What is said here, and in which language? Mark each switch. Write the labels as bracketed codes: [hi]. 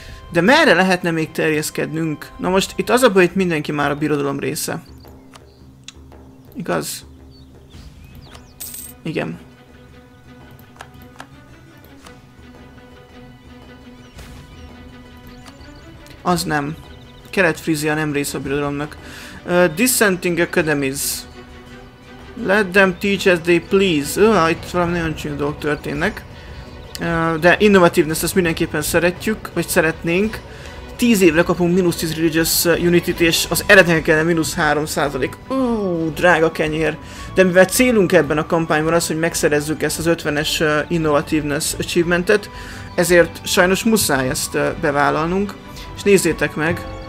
[hu] De merre lehetne még terjeszkednünk? Na most itt az a baj, hogy mindenki már a birodalom része. Igaz? Igen. Az nem. Kelet-Frízia nem része a birodalomnak. [en] Dissenting Academies. Let them teach as they please. [hu] Itt valami nagyon csúnya dolgok történnek. De innovativeness, ezt mindenképpen szeretjük, vagy szeretnénk. 10 évre kapunk minusz 10 religious unity-t, és az eredmények ellen minusz 3%. Drága kenyér. De mivel célunk ebben a kampányban az, hogy megszerezzük ezt az 50-es innovativeness achievementet, ezért sajnos muszáj ezt bevállalnunk. És nézzétek meg.